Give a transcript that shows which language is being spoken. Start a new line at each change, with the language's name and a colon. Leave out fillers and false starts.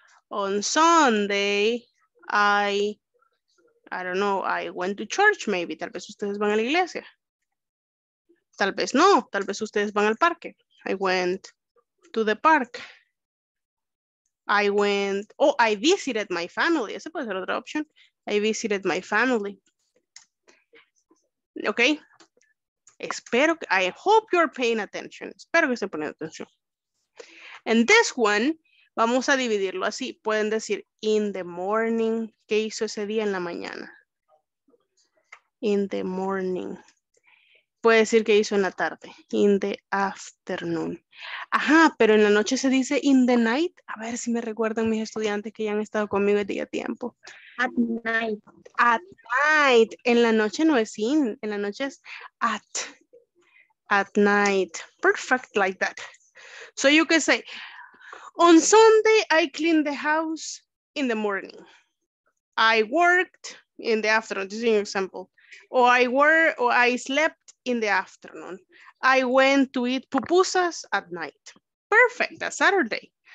English: On Sunday I don't know, I went to church maybe.
Spanish: Tal vez ustedes van a la iglesia. Tal vez no, tal vez ustedes van al parque.
English: I went to the park. I went, oh, I visited my family.
Spanish: Esa puede ser otra opción.
English: I visited my family. Okay. Espero, I hope you're paying attention.
Spanish: Espero que estén poniendo atención.
English: And this one,
Spanish: vamos a dividirlo así. Pueden decir,
English: in the morning,
Spanish: ¿qué hizo ese día en la mañana?
English: In the morning.
Spanish: Puede decir, ¿qué hizo en la tarde?
English: In the afternoon.
Spanish: Ajá, pero en la noche se dice,
English: in the night.
Spanish: A ver si me recuerdan mis estudiantes que ya han estado conmigo el día tiempo.
English: At night. At night.
Spanish: En la noche no es in, en la noche es at.
English: At night. Perfect, like that. So you can say, on Sunday, I cleaned the house in the morning. I worked in the afternoon. This is an example. Or I worked, or I slept in the afternoon. I went to eat pupusas at night. Perfect. That's Saturday.